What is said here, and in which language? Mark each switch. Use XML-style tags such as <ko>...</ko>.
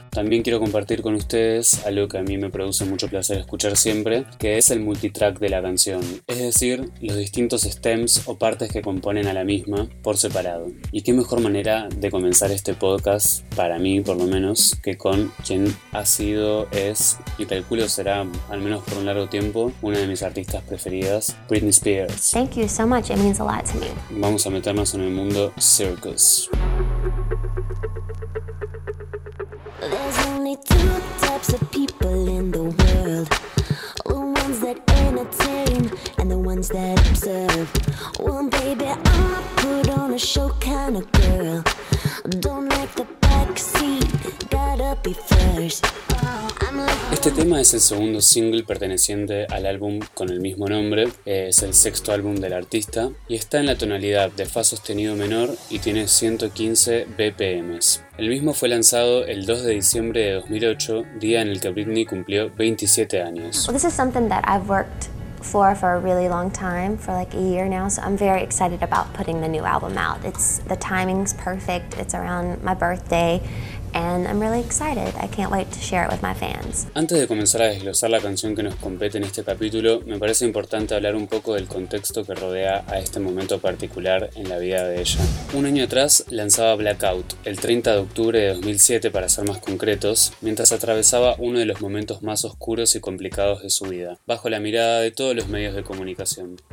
<es>También quiero compartir con ustedes algo que a mí me produce mucho placer escuchar siempre, que es el multitrack de la canción, es decir, los distintos stems o partes que componen a la misma por separado. Y qué mejor manera de comenzar este podcast, para mí por lo menos, que con quien ha sido, es y calculo será, al menos por un largo tiempo, una de mis artistas preferidas, Britney Spears.</es> <en>Thank you so much, it means a lot to me.</en> <es>Vamos a meternos en el mundo Circus.</es> <en>There's only two types of people in the world. The ones that entertain and the ones that observe. Well, baby, I put on a show kind of girl. Don't let the back seat, gotta be first.</en> <es>Este tema es el segundo single perteneciente al álbum con el mismo nombre, es el sexto álbum del artista, y está en la tonalidad de fa sostenido menor y tiene 115 BPMs. El mismo fue lanzado el 2 de diciembre de 2008, día en el que Britney cumplió 27 años.</es> <en>Well, this is something that I've worked for a really long time, for like a year now, so I'm very excited about putting the new album out. It's the timing's perfect, it's around my birthday. And I'm really excited. I can't wait to share it with my fans.</en> <es>Antes de comenzar a desglosar la canción que nos compete en este capítulo, me parece importante hablar un poco del contexto que rodea a este momento particular en la vida de ella. Un año atrás lanzaba Blackout, el 30 de octubre de 2007 para ser más concretos, mientras atravesaba uno de los momentos más oscuros y complicados de su vida, bajo la mirada de todos los medios de comunicación.</es>